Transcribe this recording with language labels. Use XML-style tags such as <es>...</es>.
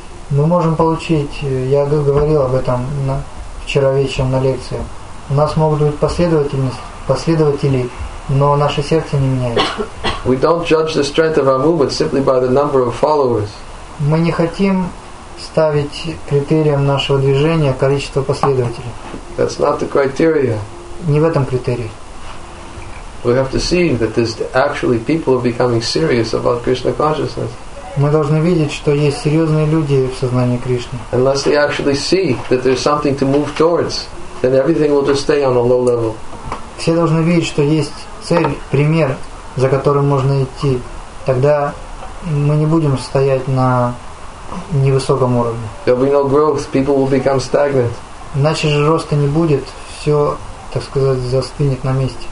<ru>Мы можем получить, я говорил об этом вчера вечером на лекции. У нас могут быть последователи, но наше сердце не меняется.</ru> <en>We don't judge the strength of our movement simply by the number of followers.</en> <ru>Мы не хотим ставить критерием нашего движения количество последователей.</ru> <en>That's not the criteria.</en> <ru>Не в этом критерии.</ru> <en>We have to see that there's actually people are becoming serious about Krishna consciousness.</en> <ru>Мы должны видеть, что есть серьезные люди в сознании Кришны.</ru> <en>Unless they actually see that there's something to move towards, then everything will just stay on a low level.</en> <ru>Все должны видеть, что есть цель, пример, за которым можно идти. Тогда мы не будем стоять на невысоком уровне.</ru> <en>There'll be no growth. People will become stagnant.</en> <ru>Иначе же роста не будет, все, так сказать, застынет на месте.</ru>